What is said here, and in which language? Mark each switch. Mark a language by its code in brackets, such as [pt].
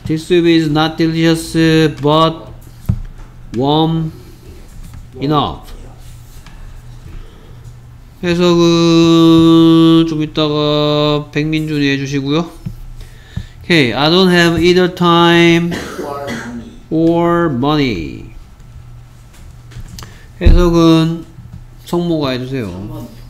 [en] This soup is not delicious but warm enough. [ko] 해석은 좀 이따가 백민준이 해주시고요. [en] Okay, I don't have either time or money. [ko] 해석은 성모가 해주세요.